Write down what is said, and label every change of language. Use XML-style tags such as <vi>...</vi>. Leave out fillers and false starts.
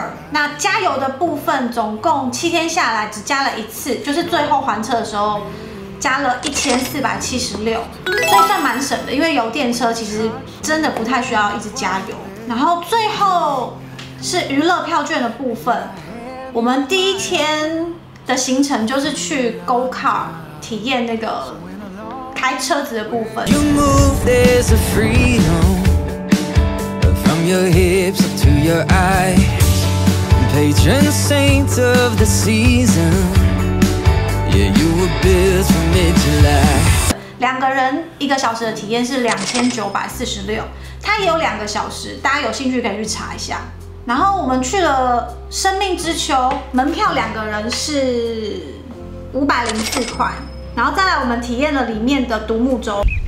<zh>那加油的部分，总共7天下来只加了一次，就是最后还车的时候加了1476，所以算蛮省的。因为油电车其实真的不太需要一直加油。然后最后是娱乐票券的部分，我们第一天的行程就是去 Go Car 体验那个开车子的部分。</zh> <en>You move, your hips up to your eyes, patron saint of the season. Yeah, you were built for mid-July.</en> <zh>两个人一个小时的体验是2946，它也有两个小时，大家有兴趣可以去查一下。然后我们去了生命之丘，门票两个人是504块。然后再来，我们体验了里面的独木舟，</zh>